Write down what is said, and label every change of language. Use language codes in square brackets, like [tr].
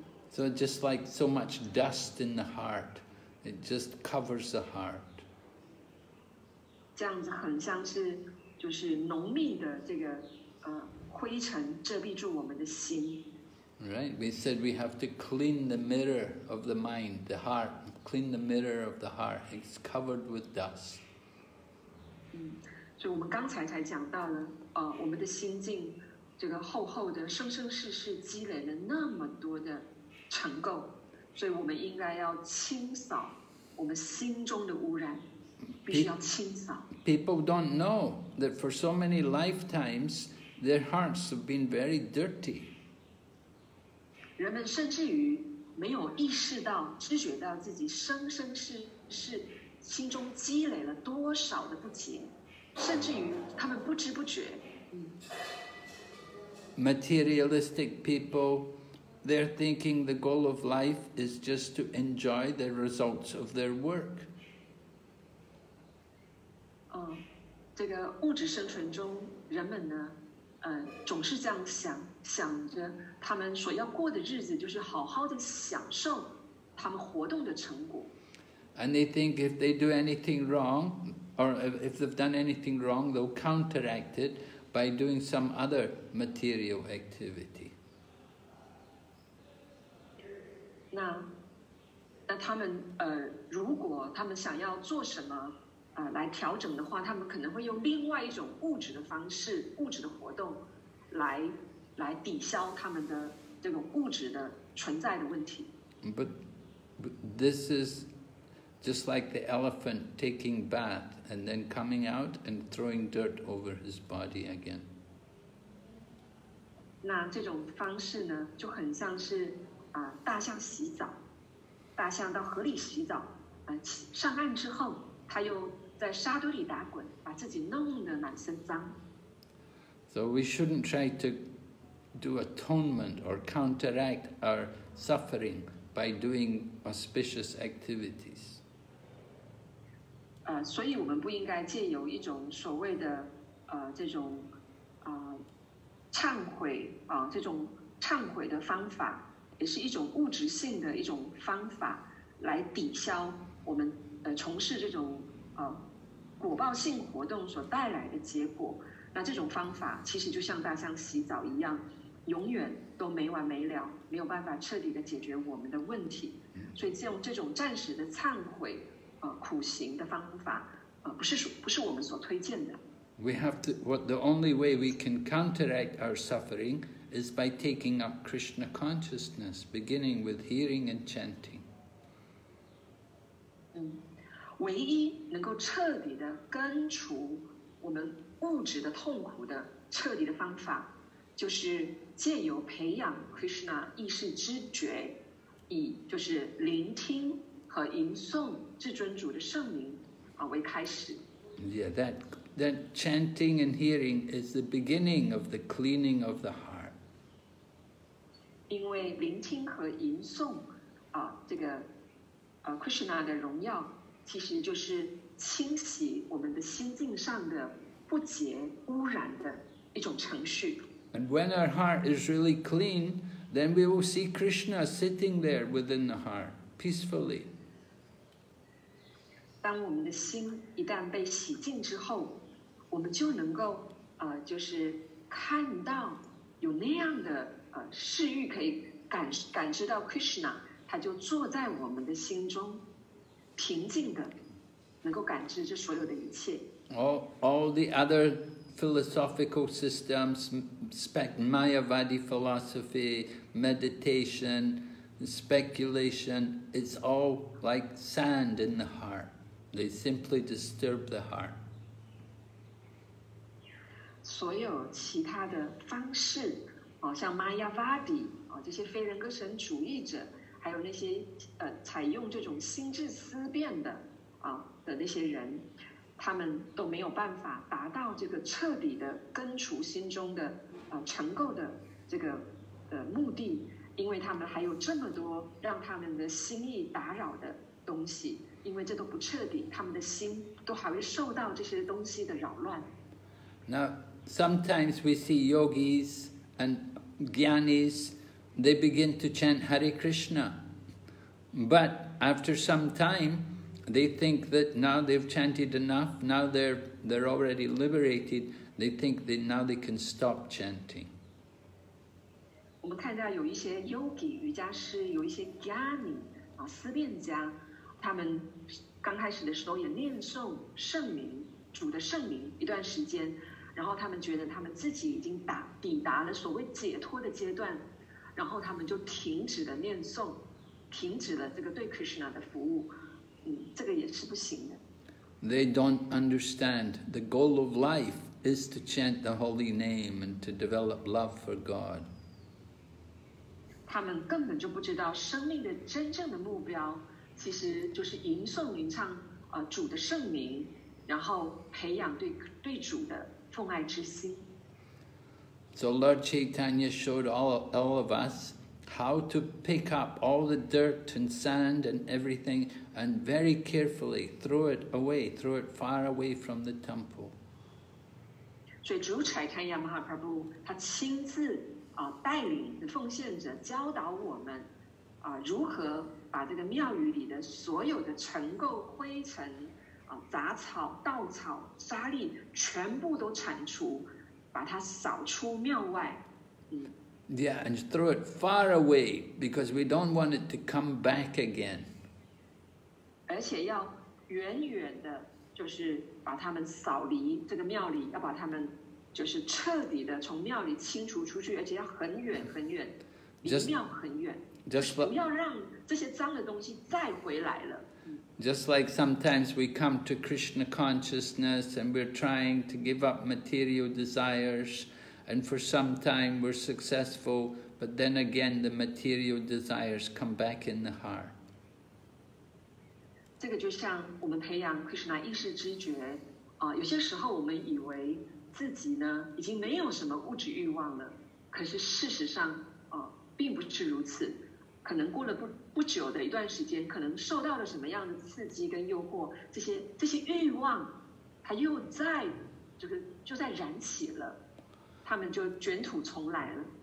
[en] So just like so much dust in the heart, it just covers the heart. [zh] 这样子很像是就是浓密的这个灰尘遮蔽住我们的心。 [en] Right, we said we have to clean the mirror of the mind, the heart. Clean the mirror of the heart. It's covered with dust. [zh] 所以我们刚才才讲到了我们的心境。这个厚厚的生生世世积累了那么多的尘垢，所以我们应该要清扫我们心中的污染，必须要清扫。 [en] People don't know that for so many lifetimes their hearts have been very dirty. [zh] 人们甚至于没有意识到、知觉到自己生生世世心中积累了多少的不洁，甚至于他们不知不觉。 [en] Materialistic people, they're thinking the goal of life is just to enjoy the results of their work. [zh] 这个物质生存中，人们呢，总是这样想，想着他们所要过的日子就是好好的享受他们活动的成果。 [en] And they think if they do anything wrong, or if they've done anything wrong, they'll counteract it. By doing some other material activity. [zh] 那他们如果他们想要做什么来调整的话，他们可能会用另外一种物质的方式、物质的活动来抵消他们的这种物质的存在的问题。 [en] But this is just like the elephant taking bath. And then coming out and throwing dirt over his body again. [zh] 那这种方式呢就很像是大象洗澡，大象到河里洗澡，上岸之后他又在沙堆里打滚，把自己弄得满身脏。 [en] So we shouldn't try to do atonement or counteract our suffering by doing auspicious activities. [zh] 所以我们不应该借由一种所谓的这种忏悔这种忏悔的方法，也是一种物质性的一种方法，来抵消我们从事这种果报性活动所带来的结果。那这种方法其实就像大象洗澡一样，永远都没完没了，没有办法彻底的解决我们的问题。所以用这种暂时的忏悔苦行的方法不是我们所推荐的。 [en] We have to, what the only way we can counteract our suffering is by taking up Krishna consciousness, beginning with hearing and chanting. [zh] 唯一能够彻底的根除我们物质的痛苦的彻底的方法，就是借由培养 Krishna 意识知觉，以就是聆听和吟诵至尊主的圣名为开始。 [en] Yeah, that chanting and hearing is the beginning of the cleaning of the heart. [zh] 因为聆听和吟诵这个Krishna 的荣耀，其实就是清洗我们的心境上的不洁污染的一种程序。 [en] And when our heart is really clean, then we will see Krishna sitting there within the heart, peacefully. [zh] 当我们的心一旦被洗净之后，我们就能够就是看到有那样的视域，可以感知到 Krishna， 他就坐在我们的心中，平静的能够感知这所有的一切。 [en] All the other philosophical systems, Mayavadi philosophy, meditation, speculation, it's all like sand in the heart. They simply disturb the heart. [zh] 所有其他的方式，像 Mayavadi, 这些非人格神主义者，还有那些采用这种心智思辨的那些人，他们都没有办法达到这个彻底的根除心中的尘垢的这个目的，因为他们还有这么多让他们的心意打扰的东西，因为这都不彻底，他们的心都还会受到这些东西的扰乱。 [en] Now, sometimes we see yogis and gyanis, they begin to chant Hare Krishna, but after some time,They think that now they've chanted enough, now they're already liberated, they think that now they can stop chanting. [zh] 我们看到有一些 yogi, 瑜伽师，有一些 gyani, 思辨家，他们刚开始的时候也念诵圣名，主的圣名一段时间，然后他们觉得他们自己已经抵达了所谓解脱的阶段，然后他们就停止了念诵，停止了这个对 Krishna 的服务。这个也是不行的。 [en] They don't understand the goal of life is to chant the holy name and to develop love for God. [zh] 他们根本就不知道生命的真正的目标其实就是吟诵吟唱主的圣名，然后培养对主的奉爱之心。 [en] So Lord Chaitanya showed all of us. How to pick up all the dirt and sand and everything and very carefully throw it far away from the temple. So, Guru Chaitanya Mahaprabhu, he [zh] 亲自带领的奉献者教导我们如何把这个庙宇里的所有的尘垢、灰尘、杂草、稻草、沙粒全部都铲除，把它扫出庙外。 [en] Yeah, and throw it far away because we don't want it to come back again. [zh] 而且要远远的，就是把他们扫离这个庙里，要把他们就是彻底的从庙里清除出去，而且要很远很远，离庙很远。 [en] Just [zh] 不要让这些脏的东西再回来了。 [en] Just like sometimes we come to Krishna consciousness and we're trying to give up material desires. And for some time we're successful, but then again the material desires come back in the heart. [zh] 这个就像我们培养 Krishna 意识知觉，有些时候我们以为自己呢已经没有什么物质欲望了，可是事实上，并不是如此。可能过了不久的一段时间，可能受到了什么样的刺激跟诱惑，这些欲望，它又在这个就在燃起了，他们就卷土重来了。